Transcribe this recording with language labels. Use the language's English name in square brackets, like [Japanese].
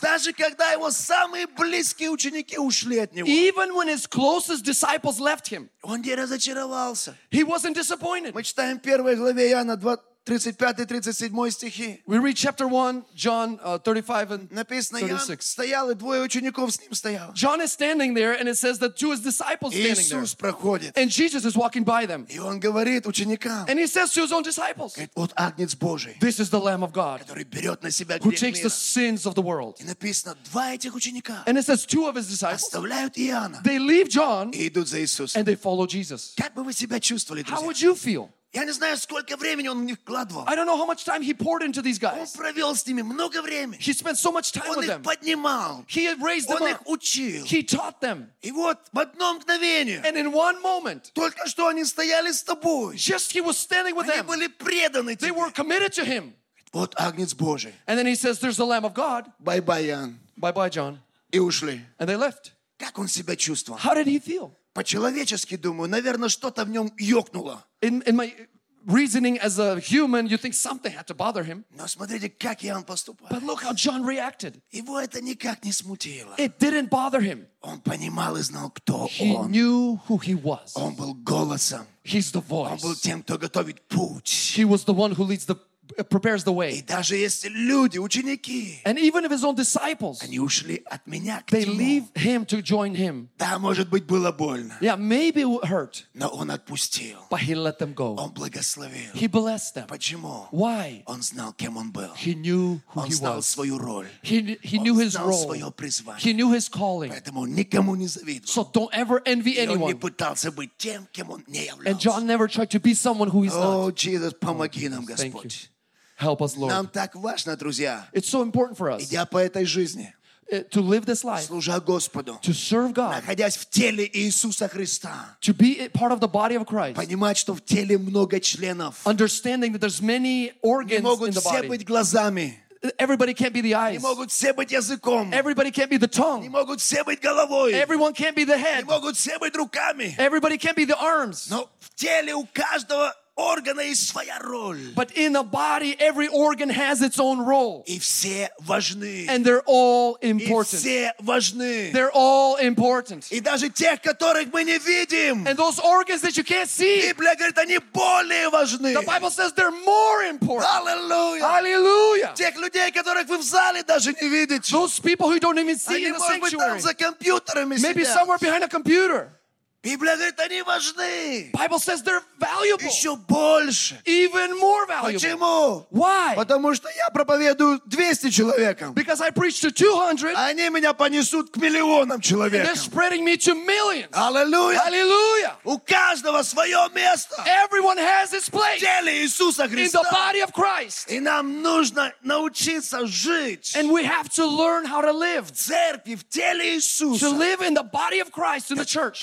[Russian] Даже когда его самые близкие ученики ушли от него. [English] Even when his closest disciples left him. [Russian] Он не разочаровался. [English] He wasn't disappointed. [Russian] Мы читаем в первой главе Иоанна 35-37 стихи. [English] We read chapter 1, John 35 and 36. [Russian] Написано, Иоанн стоял, и двое учеников с ним стояло. [English] John is standing there, and it says that two of his disciples standing there. [Russian] Иисус проходит. [English] And Jesus is walking by them. [Russian] И он говорит ученикам. [English] And he says to his own disciples. [Russian] Говорит, вот Агнец Божий. [English] This is the Lamb of God. [Russian] Который берет на себя грех мира. [English] Who takes the sins of the world. [Russian] И написано, два этих ученика. [English] And it says two of his disciples. [Russian] Оставляют Иоанна. [English] They leave John. [Russian] И идут за Иисусом. [English] And they follow Jesus. [Russian] Как бы вы себя чувствовали, друзья? [English] How would you feel? [Russian] Я не знаю, сколько времени он в них вкладывал. [English] I don't know how much time he poured into these guys. [Russian] Он провел с ними много времени. [English] He spent so much time [Russian] он [English] with them. [Russian] Он их поднимал. [English] He raised [Russian] он [English] them [Russian] их [English] up. [Russian] Учил. [English] He taught them. [Russian] И вот в одно мгновение. [English] And in one moment. [Russian] Только что они стояли с тобой. [English] Just he was standing with [Russian] они Они были преданы [English] they [Russian] тебе. [English] They were committed to him. [Russian] Вот Агнец Божий. [English] And then he says, there's the Lamb of God. Bye-bye, Ян. Bye-bye, John. [Russian] И ушли. [English] And they left. [Russian] Как он себя чувствовал? [English] How did he feel? [Russian] По-человечески думаю, наверное, что-то в нем ёкнуло. [English] In my reasoning as a human, you think something had to bother him. [Russian] Но смотрите, как Иоанн поступает. [English] But look how John reacted. [Russian] Его это никак не смутило. [English] It didn't bother him. [Russian] Он понимал и знал, кто [English] he [Russian] он. [English] He knew who he was. [Russian] Он был голосом. [English] He's the voice. [Russian] Он был тем, кто готовит путь. [English] He was the one who leads the prepares the way. [Russian] И даже если люди, ученики, [English] and even if his own disciples, [Russian] они ушли от меня к [English] they [Russian] нему. [English] Leave him to join him. [Russian] Да, может быть, было больно. [English] Yeah, maybe it hurt. [Russian] Но он отпустил. [English] But he let them go. [Russian] Он благословил. [English] He blessed them. [Russian] Почему? [English] Why? [Russian] Он знал, кем он был. [English] He knew who [Russian] он [English] he [Russian] знал [English] was. [Russian] Свою роль. [English] He knew his role. He knew his calling. [Russian] Поэтому никому не завидовал. [English] So don't ever envy [Russian] и [English] anyone. [Russian] И он не пытался быть тем, кем он не являлся. [English] And John never tried to be someone who he's oh, not. [Russian] Oh, Jesus, помоги нам, Господь. [English] Thank you. Help us, Lord. [Russian] Нам так важно, друзья. [English] It's so important for us. [Russian] Идя по этой жизни. [English] To live this life. [Russian] Служа Господу. [English] To serve God. [Russian] Находясь в теле Иисуса Христа. [English] To be part of the body of Christ. [Russian] Понимать, что в теле много членов. [English] Understanding that there's many organs in the body. [Russian] Не могут все быть глазами. [English] Everybody can't be the eyes. [Russian] Не могут все быть языком. [English] Everybody can't be the tongue. [Russian] Не могут все быть головой. [English] Everyone can't be the head. [Russian] Не могут все быть руками. [English] Everybody can't be the arms. [Russian] Но в теле у каждого органа есть своя роль. [English] But in a body, every organ has its own role. [Russian] И все важны. [English] And they're all important. [Russian] И все важны. [English] They're all important. [Russian] И даже тех, которых мы не видим. [English] And those organs that you can't see. [Russian] Библия говорит, они более важны. [English] The Bible says they're more important. Hallelujah. Hallelujah. [Russian] Тех людей, которых вы в зале даже не видите. [English] Those people who don't even see in the sanctuary. [Russian] За компьютерами [English] Maybe [Russian] сидят. [English] Somewhere behind a computer. [Russian] Библия говорит, они важны. [English] Bible says they're valuable. [Russian] Еще больше. [English] Even more valuable. [Russian] Почему? [English] Why? [Russian] Потому что я проповедую 200 человекам. [English] Because I preach to 200. [Russian] Они меня понесут к миллионам человек. [English] They're spreading me to millions. [Russian] Аллилуйя. [English] Hallelujah. [Russian] У каждого свое место. [English] Everyone has his place. [Russian] В теле Иисуса Христа. [English] In the body of Christ. [Russian] И нам нужно научиться жить. [English] And we have to learn how to live. [Russian] В церкви, в теле Иисуса. [English] To live in the body of Christ, in the church.